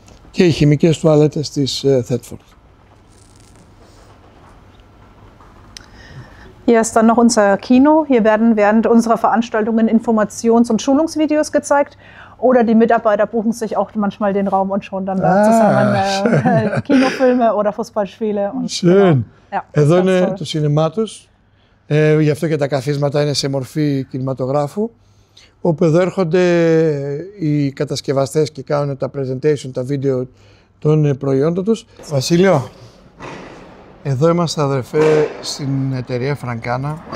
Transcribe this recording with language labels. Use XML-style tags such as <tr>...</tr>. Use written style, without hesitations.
<el>Και οι χημικές τουαλέτες της Thetford.</el> <de>Hier ist dann noch unser Kino. Hier werden während unserer Veranstaltungen Informations- und Schulungsvideos gezeigt. Oder die Mitarbeiter buchen sich auch manchmal den Raum und schauen dann zusammen Kinofilme oder Fußballspiele. Und, schön. Genau.</de> <el>Ja, εδώ είναι το σινεμά τους. Γι' αυτό και τα καθίσματα είναι σε μορφή κινηματογράφου. Όπου εδώ έρχονται οι κατασκευαστές και κάνουν τα presentation, τα βίντεο των προϊόντων τους. Βασίλειο, εδώ είμαστε αδερφέ στην εταιρεία Francana.</el>